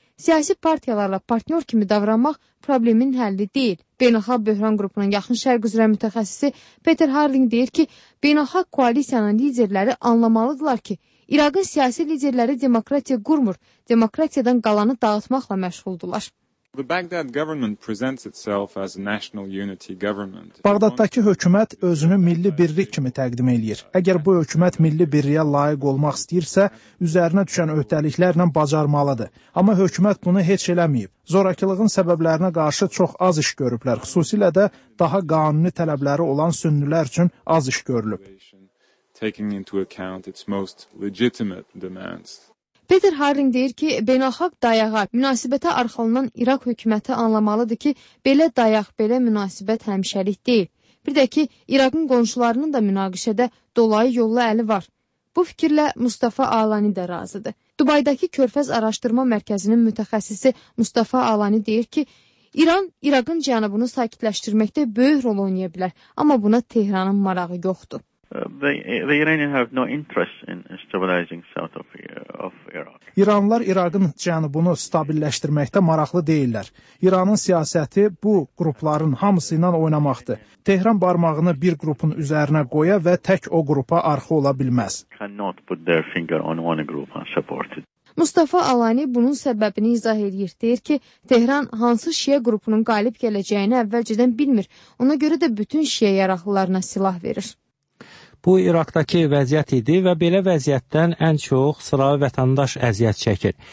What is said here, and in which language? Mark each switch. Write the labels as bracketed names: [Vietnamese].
[Azerbaijani] siyasi partiyalarla partnyor kimi davranmaq problemin həlli deyil. Beynəlxalq böhran qrupunun yaxın şərq üzrə mütəxəssisi Peter Harling deyir ki, beynəlxalq koalisiyanın liderləri anlamalıdırlar ki, İraqın siyasi liderləri demokratiya qurmur, demokratiyadan qalanı dağıtmaqla məşğuldurlar. [English] The Baghdad government presents itself as a national unity government. [Azerbaijani] Bağdaddakı hökumət özünü milli birlik kimi təqdim eləyir. Əgər bu hökumət milli birliyə layiq olmaq istəyirsə, üzərinə düşən öhdəliklərlə bacarmalıdır. Amma hökumət bunu heç eləməyib. Zorakılığın səbəblərinə qarşı çox az iş görüblər, xüsusilə də daha qanuni tələbləri olan sünnilər üçün az iş görülüb. [English] Taking into account its most legitimate demands. [Azerbaijani] Peter Haring deyir ki, beynəlxalq dayağa, münasibətə arxalanan İraq hökuməti anlamalıdır ki, belə dayaq, belə münasibət həmişəlik deyil. Bir də ki, İraqın qonşularının da münaqişədə dolayı yollu əli var. Bu fikirlə Mustafa Alani də razıdır. Dubaydakı Körfəz Araşdırma Mərkəzinin mütəxəssisi Mustafa Alani deyir ki, İran İraqın cənubunu sakitləşdirməkdə böyük rol oynaya bilər, amma buna Tehranın marağı yoxdur. [English] The Iranians have no interest in stabilizing south of Iraq. [Azerbaijani] İranlılar İraqın cənubunu stabilləşdirməkdə maraqlı deyillər. İranın siyasəti bu qrupların hamısı ilə oynamaqdır. Tehran barmağını bir qrupun üzərinə qoya və tək o qrupa arxa ola bilməz. [English] Cannot put their finger on one group and support it. [Azerbaijani] Mustafa Alani bunun səbəbini izah edir, deyir ki, Tehran hansı şiə qrupunun qalib gələcəyini əvvəlcədən bilmir. Ona görə də bütün şiə yaraqlılarına silah verir. Bu, İraqdakı vəziyyət idi və belə vəziyyətdən ən çox sıravi vətəndaş əziyyət çəkir.